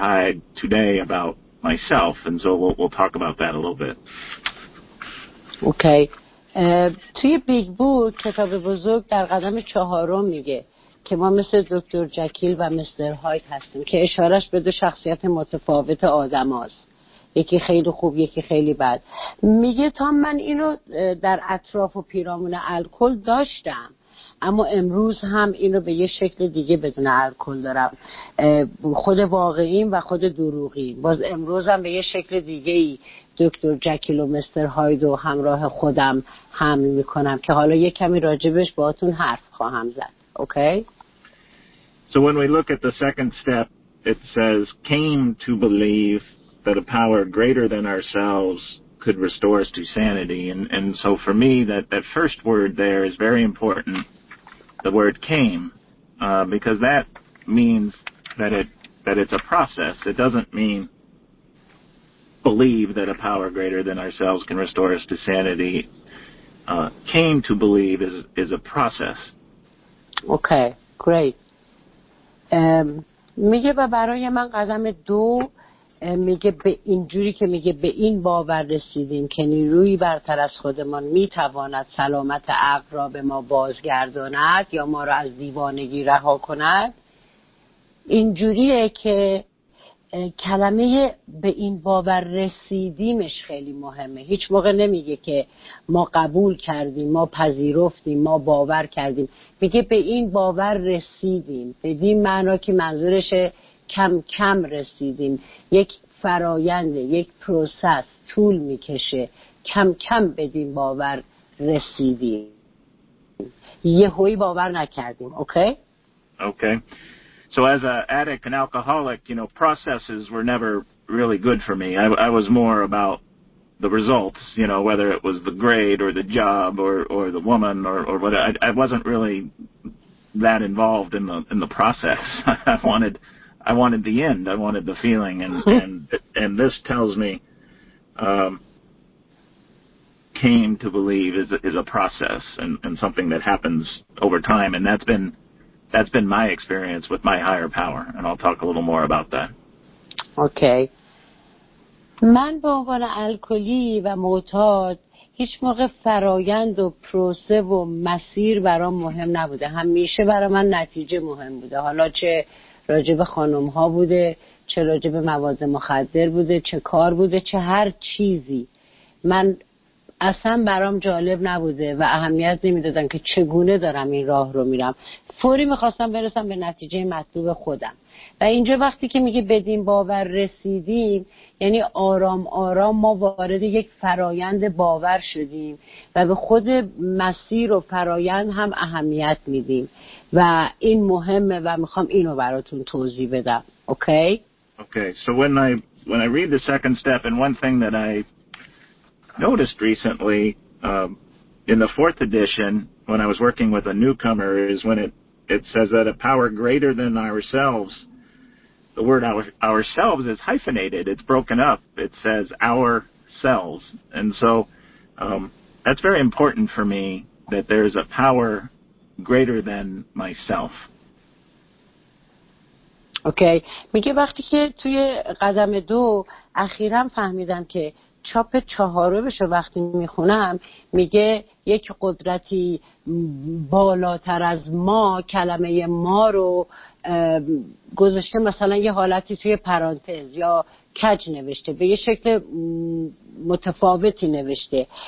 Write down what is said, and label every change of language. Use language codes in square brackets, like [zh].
[en] Hyde today about myself, and so we'll talk about that a little bit. Okay. [fa] توی بیگ بوک کتاب بزرگ در قدم چهارم میگه که ما مثل دکتر جکیل و مستر هایت هستیم، که اشارش به دو شخصیت متفاوت آدم هاست، یکی خیلی خوب یکی خیلی بد. میگه تا من اینو در اطراف و پیرامون الکل داشتم، اما امروز هم اینو به یه شکل دیگه بدون الکل دارم، خود واقعیم و خود دروغیم. باز امروز هم به یه شکل دیگه ای دکتر جکیل و مستر هاید و همراه خودم هم می کنم، که حالا یه کمی راجبش با اتون حرف خواهم زد. [en] Okay. So when we look at the second step, it says came to believe that a power greater than ourselves could restore us to sanity, and so for me that first word there is very important, the word came, because that means that it's a process. It doesn't mean believe that a power greater than ourselves can restore us to sanity. Came to believe is a process. Okay, great. [fa] میگه و برای من قدم دو میگه به اینجوری که میگه به این باور رسیدیم که نیروی برتر از خودمان میتواند سلامت عقل را به ما بازگرداند یا ما را از دیوانگی رها کند، اینجوریه که کلمه به این باور رسیدیمش خیلی مهمه. هیچ موقع نمیگه که ما قبول کردیم، ما پذیرفتیم، ما باور کردیم. میگه به این باور رسیدیم، بدین معنا که منظورشه کم کم رسیدیم. یک فرایند، یک پروسس طول میکشه. کم کم بدیم باور رسیدیم، یهویی باور نکردیم. [en] Okay. So as an addict and alcoholic, you know, processes were never really good for me. I was more about the results, you know, whether it was the grade or the job or the woman or whatever. I wasn't really that involved in the process. I wanted the end. I wanted the feeling. And this tells me, came to believe is a process and something that happens over time. And that's been my experience with my higher power. And I'll talk a little more about that. Okay. [fa] من به عنوان الکلی و معتاد هیچ موقع فرایند و پروسه و مسیر برام مهم نبوده. همیشه برام نتیجه مهم بوده. حالا چه راجب خانم ها بوده، چه راجب مواد مخدر بوده، چه کار بوده، چه هر چیزی. من اصلا برام جالب نبوده و اهمیت نمیدادن که چگونه دارم این راه رو میرم. فوری میخواستم برسم به نتیجه مطلوب خودم. و اینجا وقتی که میگه بدین باور رسیدیم، یعنی آرام آرام ما وارد یک فرایند باور شدیم و به خود مسیر و فرایند هم اهمیت میدیم و این مهمه و میخوام اینو براتون توضیح بدم. [en] Okay? Okay. So when I read the second step, and one thing that I noticed recently in the fourth edition when I was working with a newcomer is when it says that a power greater than ourselves, the word ourselves is hyphenated. It's broken up. It says ourselves. And so that's very important for me, that there is a power greater than myself. Okay. [fa] میگه وقتی که توی قدم دو اخیرم فهمیدم که چاپ چهارمشو وقتی میخونم میگه یک قدرتی بالاتر از ما، کلمه ما رو گذاشته مثلا یه حالتی توی پرانتز یا کج نوشته، به یه شکل متفاوتی نوشته.